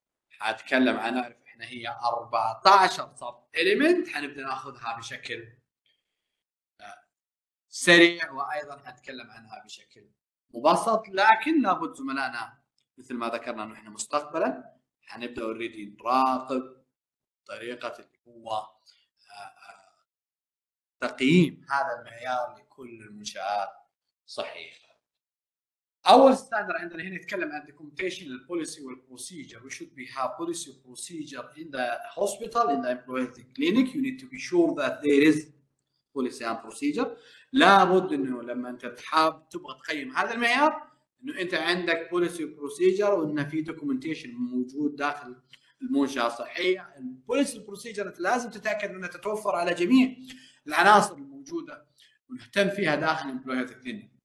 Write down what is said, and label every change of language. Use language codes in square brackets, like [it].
[ar] حاتكلم عن اعرف احنا هي 14 سب اليمنت حنبدا ناخذها بشكل سريع، وايضا حنتكلم عنها بشكل مبسط، لكن لابد زملائنا مثل ما ذكرنا انه احنا مستقبلا حنبدا اوريدي نراقب طريقه اللي هو تقييم هذا المعيار لكل المنشآت صحيح. أول ستاندر عندنا هنا يتكلم عن documentational policy والبروسيجر. [en] We should be have policy procedure in the hospital, in the employee clinic. You need to be sure that there is policy and procedure. [ar] لابد انه لما انت تحب تبغى تقيم هذا المعيار انه انت عندك policy procedure وانه في documentation موجود داخل المنشأة الصحية. البوليسي بروسيجر لازم تتأكد انها تتوفر على جميع العناصر الموجودة ونهتم فيها داخل الامبلويات الدنيا.